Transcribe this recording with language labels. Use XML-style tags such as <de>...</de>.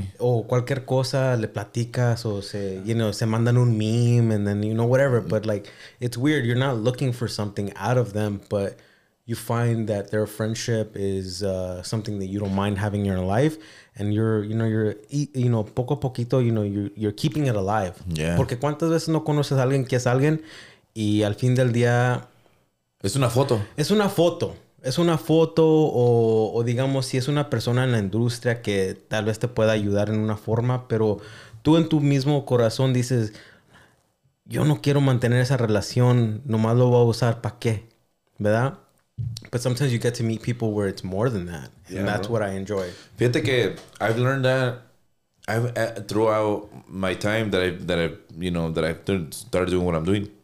<es>O cualquier cosa, le platicas o se,</es> <en>you know,</en> <es>se mandan un meme</es> <en>and then, you know, whatever. But, like, it's weird. You're not looking for something out of them, but you find that their friendship is something that you don't mind having in your life. And you're</en> <es>poco a poquito,</es> <en>you know, you're keeping it alive. Yeah.</en> <es>Porque cuántas veces no conoces a alguien que es alguien y al fin del día... Es una foto. Es una foto o digamos si es una persona en la industria que tal vez te pueda ayudar en una forma, pero tú en tu mismo corazón dices, yo no quiero mantener esa relación, nomás lo voy a usar, ¿pa' qué? ¿Verdad?</es> <en>But sometimes you get to meet people where it's more than that, and yeah, that's bro. What I enjoy.</en> <es>Fíjate que</es> <en>I've learned that throughout my time that I've started doing what I'm doing.</en>